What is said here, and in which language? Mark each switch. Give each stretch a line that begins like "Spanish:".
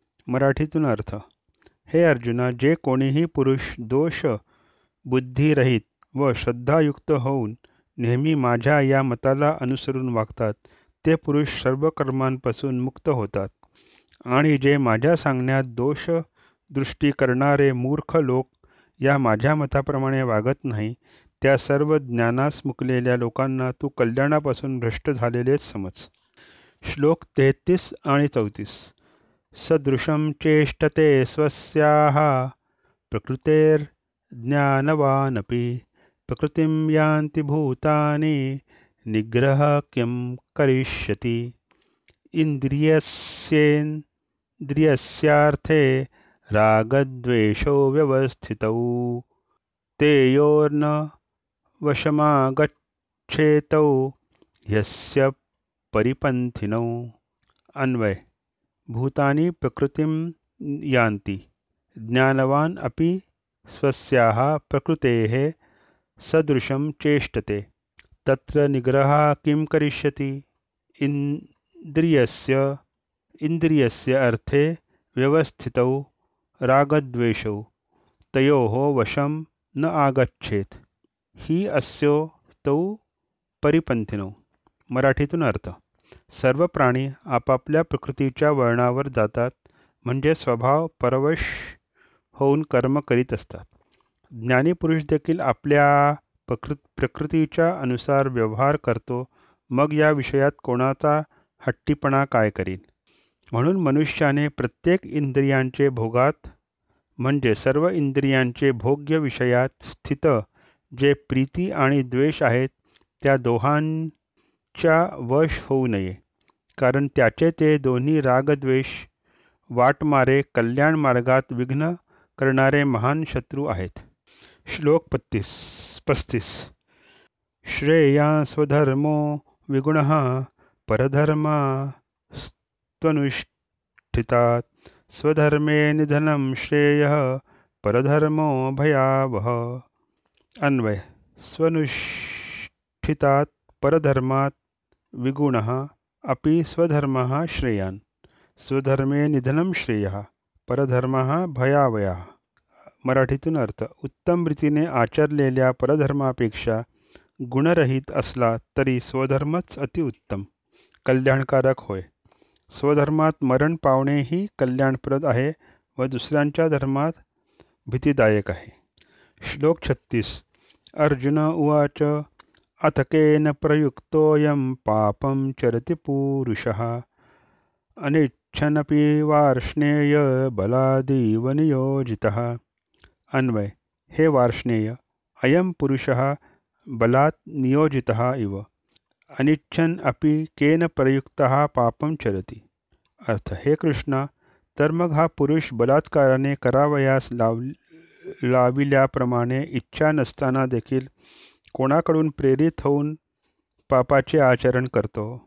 Marathi: मराठीतून अर्थ, हे अर्जुना, जे कोणीही पुरुष दोष बुद्धिरहित व श्रद्धायुक्त होऊन नेहमी माझ्या या मताला अनुसरून वागतात ते पुरुष सर्व कर्मांपासून मुक्त होतात, आणि जे माझ्या सांगण्यात दोष दृष्टी करणारे मूर्ख लोक या माझ्या मताप्रमाणे वागत नाही त्या सर्व ज्ञानास मुकलेल्या लोकांना तू कल्याणापासून भ्रष्ट झालेलेच समज। श्लोक 33 आणि 34,
Sanskrit: सदृशं चेष्टते स्वस्याः प्रकृतेर् ज्ञानवानपि प्रकृतिं यान्ति भूतानि निग्रह किं करिष्यति। इन्द्रियस्येन्द्रियस्यार्थे रागद्वेषो व्यवस्थितौ तेयोर्न वशमागच्छेतौ यस्य परिपन्थिनौ। अन्वय, भूतानि प्रकृतिं यान्ति, ज्ञानवान् अपि स्वस्याः प्रकृतेः सदृशं चेष्टते, तत्र निग्रह किं करिष्यति। इन्द्रियस्य अर्थे व्यवस्थितौ रागद्वेषौ तयोः वशं न आगच्छेत् हि अस्यो तौ परिपन्थिनौ।
Marathi: मराठीतून अर्थ, सर्व प्राणी आपापल्या प्रकृतीच्या वळणावर जातात, म्हणजे स्वभाव परवश होऊन कर्म करीत असतात। ज्ञानी पुरुष देखील आपल्या प्रकृतीच्या अनुसार व्यवहार करतो, मग या विषयात कोणाचा हट्टीपणा काय करीन। म्हणून मनुष्याने प्रत्येक इंद्रियांचे भोगात, म्हणजे सर्व इंद्रियांचे भोग्य विषयात स्थित जे प्रीती आणि द्वेष आहेत त्या दोहांच्या वश होऊ नये, कारण त्याचे ते दोन्ही रागद्वेष वाट मारे कल्याण मार्गात विघ्न करणारे महान शत्रू आहेत. श्लोक 35.
Sanskrit: श्रेया स्वधर्मो विगुण परधर्मा स्तनुष्ठिता स्वधर्मे निधनम श्रेय परधर्मो भयावह. अन्वय. स्वनुष्ठितात् परधर्मात् विगुणः अपि स्वधर्मः श्रेयान्. स्वधर्मे निधनं श्रेयः परधर्मः भयावयः.
Marathi: मराठीतून अर्थ: उत्तम रीतीने आचरलेल्या परधर्मापेक्षा गुणरहित असला तरी स्वधर्मच अतिउत्तम कल्याणकारक होय. स्वधर्मात मरण पावणेही कल्याणप्रद आहे व दुसऱ्यांच्या धर्मात भीतिदायक आहे.
Sanskrit: श्लोक 36. अर्जुन उवाच अथकेन प्रयुक्तोयं पापं चरति पुरुषः अनिच्छनपि वार्ष्णेय बलादेव नियोजितः. अन्वय. हे वार्ष्णेय, अयं पुरुषः बलात् नियोजितः इव. अनिच्छन अपि केन प्रयुक्तः पापं चरति.
Marathi: अर्थ: हे कृष्ण, तर मग हा पुरुष बलात्काराने करावयास लाविल्याप्रमाणे इच्छा नसताना देखील कोणाकडून प्रेरित होऊन पापाचे आचरण करतो.